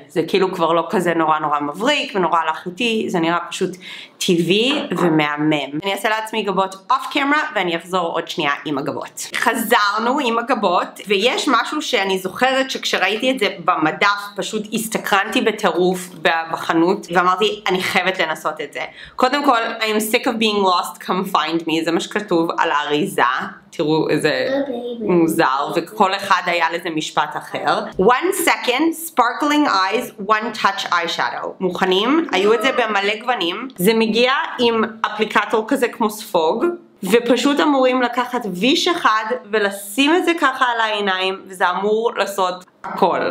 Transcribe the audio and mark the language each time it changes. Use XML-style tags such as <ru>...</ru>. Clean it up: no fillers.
<he>זה כאילו כבר לא כזה נורא נורא מבריק ונורא לחוטי, זה נראה פשוט טבעי ומהמם. אני אעשה לעצמי גבות אוף קמרה ואני אחזור עוד שנייה עם הגבות. חזרנו עם הגבות ויש משהו שאני זוכרת שכשראיתי את זה במדף פשוט הסתקרנתי בטירוף בחנות ואמרתי אני חייבת לנסות את זה. קודם כל,</he> <en>I'm sick of being lost, come find me,</en> <he>זה מה שכתוב על האריזה. תראו איזה מוזר, וכל אחד היה לזה משפט אחר.</he> <en>One second, sparkling eyes, one touch eyeshadow.</en> <he>מוכנים? היו את זה במלא גוונים. זה מגיע עם אפליקטור כזה כמו ספוג, ופשוט אמורים לקחת ויש אחד ולשים את זה ככה על העיניים, וזה אמור לעשות הכל.</he>